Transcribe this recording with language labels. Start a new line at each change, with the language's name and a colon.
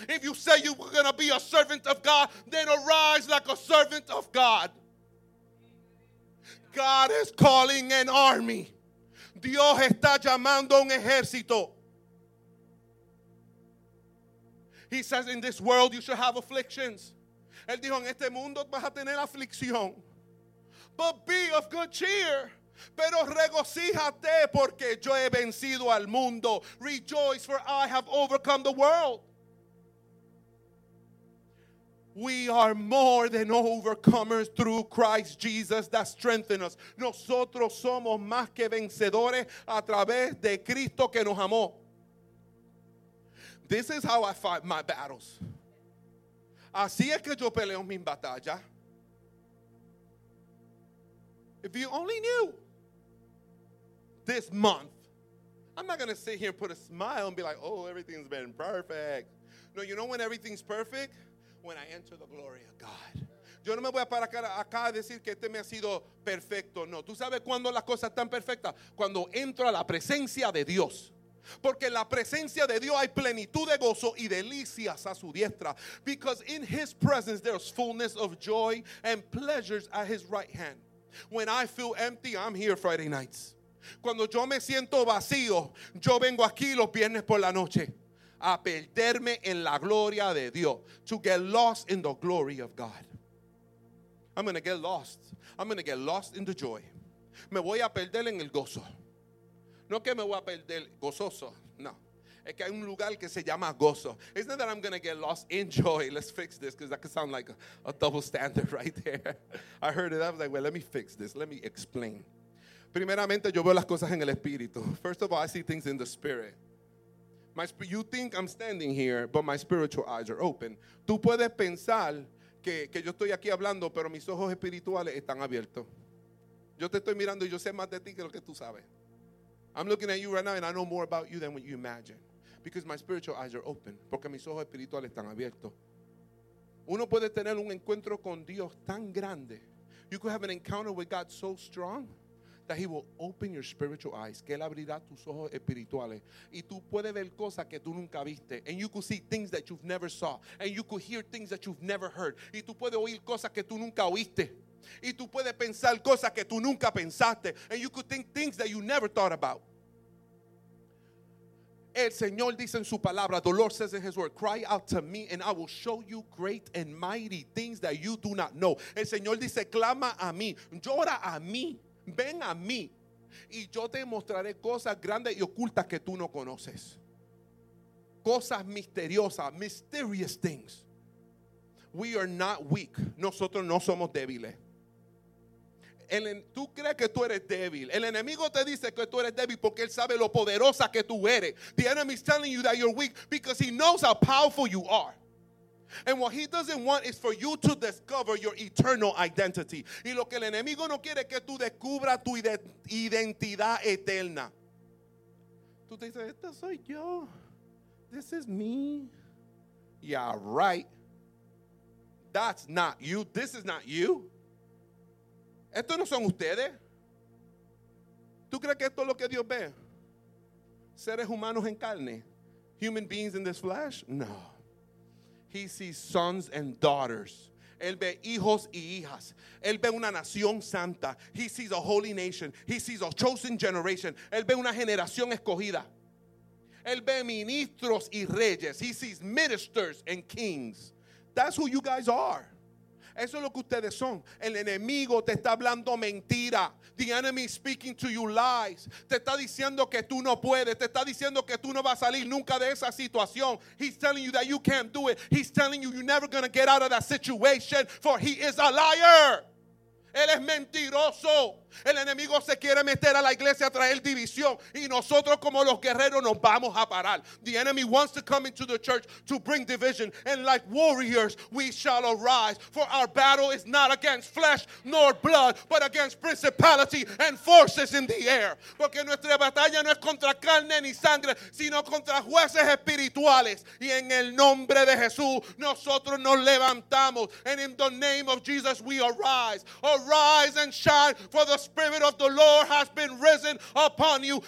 English: If you say you were going to be a servant of God, then arise like a servant of God. God is calling an army.
Spanish: Dios está llamando un ejército.
English: He says, in this world you should have afflictions.
Spanish: Él dijo, en este mundo vas a tener aflicción.
English: But be of good cheer.
Spanish: Pero regocíjate porque yo he vencido al mundo.
English: Rejoice, for I have overcome the world. We are more than overcomers through Christ Jesus that strengthens us.
Spanish: Nosotros somos más que vencedores a través de Cristo que nos amó.
English: This is how I fight my battles.
Spanish: Así es que yo peleo mi batalla.
English: If you only knew this month, I'm not going to sit here and put a smile and be like, oh, everything's been perfect. No, you know when everything's perfect? When I enter the glory of God.
Spanish: Yo no me voy a parar acá a decir que este me ha sido perfecto. No, tú sabes cuando las cosas están perfectas. Cuando entro a la presencia de Dios. Porque la presencia de Dios hay plenitud de gozo y delicias a su diestra.
English: Because in his presence there is fullness of joy and pleasures at his right hand. When I feel empty, I'm here Friday nights.
Spanish: Cuando yo me siento vacío, yo vengo aquí los viernes por la noche a perderme en la gloria de Dios.
English: To get lost in the glory of God. I'm going to get lost. I'm going to get lost in the joy.
Spanish: Me voy a perder en el gozo. No que me voy a perder gozoso, no. Es que hay un lugar que se llama gozo.
English: It's not that I'm going to get lost in joy. Let's fix this because that could sound like a double standard right there. I heard it. I was like, well, let me fix this. Let me explain.
Spanish: Primeramente, yo veo las cosas en el espíritu.
English: First of all, I see things in the spirit. You think I'm standing here, but my spiritual eyes are open.
Spanish: Tú puedes pensar que yo estoy aquí hablando, pero mis ojos espirituales están abiertos. Yo te estoy mirando y yo sé más de ti que lo que tú sabes.
English: I'm looking at you right now and I know more about you than what you imagine. Because my spiritual eyes are open.
Spanish: Porque mis ojos espirituales están abiertos. Uno puede tener un encuentro con Dios tan grande.
English: You could have an encounter with God so strong that he will open your spiritual eyes.
Spanish: Que él abrirá tus ojos espirituales. Y tú puedes ver cosas que tú nunca viste.
English: And you could see things that you've never saw. And you could hear things that you've never heard.
Spanish: Y tú puedes oír cosas que tú nunca oíste. Y tú puedes pensar cosas que tú nunca pensaste.
English: And you could think things that you never thought about.
Spanish: El Señor dice en su palabra,
English: the Lord says in his word, cry out to me and I will show you great and mighty things that you do not know.
Spanish: El Señor dice, clama a mí, llora a mí, ven a mí. Y yo te mostraré cosas grandes y ocultas que tú no conoces. Cosas misteriosas,
English: mysterious things. We are not weak.
Spanish: Nosotros no somos débiles. Tú crees que tú eres débil. El enemigo te dice que tú eres débil porque él sabe lo poderosa que tú eres.
English: The enemy is telling you that you're weak because he knows how powerful you are. And what he doesn't want is for you to discover your eternal identity.
Spanish: Y lo que el enemigo no quiere es que tú descubras tu identidad eterna. Tú te dices, esto soy yo.
English: This is me. Yeah, right. That's not you. This is not you.
Spanish: ¿Estos no son ustedes? ¿Tú crees que esto es lo que Dios ve? ¿Seres humanos en carne?
English: ¿Human beings in this flesh? No. He sees sons and daughters.
Spanish: Él ve hijos y hijas. Él ve una nación santa.
English: He sees a holy nation. He sees a chosen generation.
Spanish: Él ve una generación escogida. Él ve ministros y reyes.
English: He sees ministers and kings. That's who you guys are.
Spanish: Eso es lo que ustedes son. El enemigo te está hablando mentira.
English: The enemy is speaking to you lies.
Spanish: Te está diciendo que tú no puedes. Te está diciendo que tú no vas a salir nunca de esa situación.
English: He's telling you that you can't do it. He's telling you you're never going to get out of that situation. For he is a liar.
Spanish: Él es mentiroso. El enemigo se quiere meter a la iglesia a traer división. Y nosotros como los guerreros nos vamos a parar.
English: The enemy wants to come into the church to bring division. And like warriors, we shall arise. For our battle is not against flesh nor blood, but against principality and forces in the air.
Spanish: Porque nuestra batalla no es contra carne ni sangre, sino contra jueces espirituales. Y en el nombre de Jesús, nosotros nos levantamos.
English: And in the name of Jesus, we arise. Arise and shine, for the Spirit of the Lord has been risen upon you.